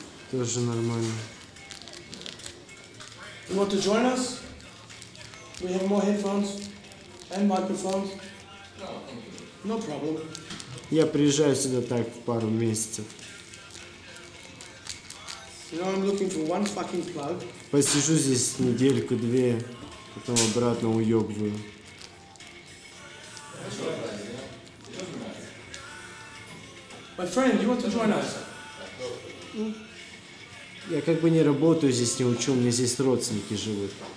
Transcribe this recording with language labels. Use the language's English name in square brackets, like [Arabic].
[Russian] Тоже нормально. [English] You want to join us? We have more headphones and microphones. No problem. [Russian] Я приезжаю сюда так в пару месяцев. [English] You know, I'm looking for one fucking plug. [Russian] Посижу здесь недельку-две, потом обратно уёбываю. [English] My friend, you want to join us? [Russian] Я как бы не работаю здесь, не учу, у меня здесь родственники живут.